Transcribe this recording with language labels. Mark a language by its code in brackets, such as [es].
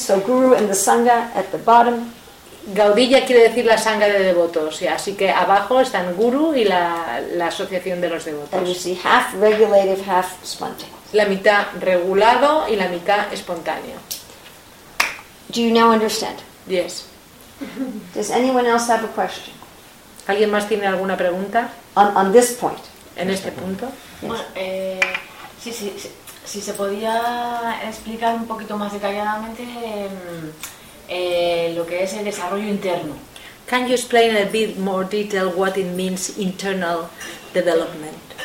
[en] So guru and the sangha at the bottom. [es] Gaudiya quiere decir la sangha de devotos. Así que abajo están guru y la asociación de los devotos. [en] And you see half regulative, half spontaneous. [es] La mitad regulado y la mitad espontáneo. [en] Do you now understand? Yes. Does anyone else have a question? [es] ¿Alguien más tiene alguna pregunta? [en] On this point. [es] En este punto. Bueno, si se podía explicar un poquito más detalladamente lo que es el desarrollo interno. [en] Can you explain a bit more detail what it means internal development?